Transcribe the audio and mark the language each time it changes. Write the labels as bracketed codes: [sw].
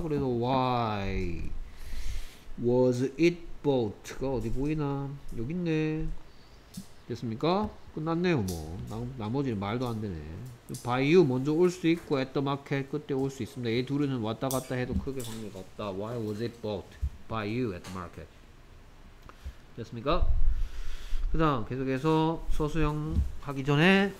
[ko] 그래서 [en] why was it bought [ko] 가 어디 보이나 여기 있네. 됐습니까? 끝났네요. 뭐 나머지는 말도 안 되네. [en] By you [ko] 먼저 올 수 있고 [en] at the market [ko] 그때 올 수 있습니다. 얘 둘은 왔다 갔다 해도 크게 관계가 없다. [en] Why was it bought by you at the market? [ko] 됐습니까? 그 다음 계속해서 서수영 하기 전에